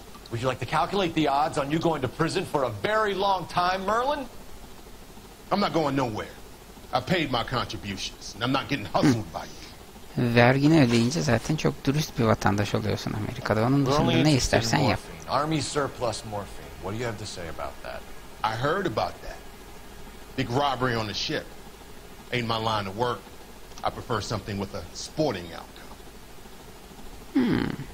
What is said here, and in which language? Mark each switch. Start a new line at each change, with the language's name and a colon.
English: Would you like to calculate the odds on you going to prison for a very long time, Merlin? I'm not going nowhere. I paid my contributions, and I'm not getting hustled by you.
Turkish: Vergini ödeyince zaten çok dürüst bir vatandaş oluyorsun Amerika'da. Onun dışında ne istersen yap.
English: Army surplus morphine. What do you have to say about that? I heard about that. Big robbery on the ship. Ain't my line of work. I prefer something with a sporting outcome. Hmm.